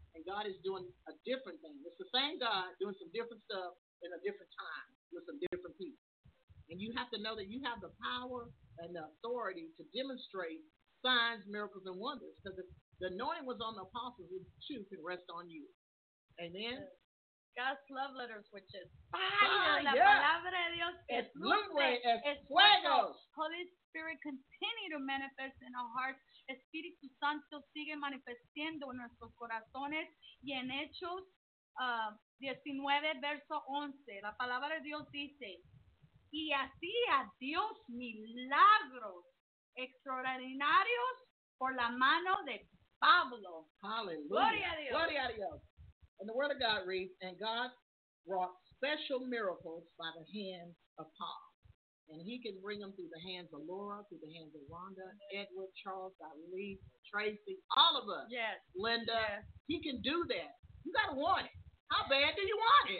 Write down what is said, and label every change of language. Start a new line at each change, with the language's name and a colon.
English: And God is doing a different thing. It's the same God doing some different stuff in a different time with some different people. And you have to know that you have the power and the authority to demonstrate signs, miracles, and wonders. Because if the anointing was on the apostles, it too can rest on you. Amen? God's love letters, which is fire. Yes.
Spanish: La palabra de Dios es lumbre, es fuegos.
English: Holy Spirit, continue to manifest in our hearts.
Spanish: Espíritu Santo sigue manifestando en nuestros corazones. Y en Hechos 19, verso 11, la palabra de Dios dice, y hacía Dios milagros extraordinarios por la mano de Pablo.
English: Hallelujah.
Spanish: Gloria a Dios. Gloria a Dios.
English: And the word of God reads, and God wrought special miracles by the hand of Paul. And he can bring them through the hands of Laura, through the hands of Rhonda, Edward, Charles, Lee, Tracy, all of us. Yes. Linda. Yes. He can do that. You got to want it. How bad do you want it?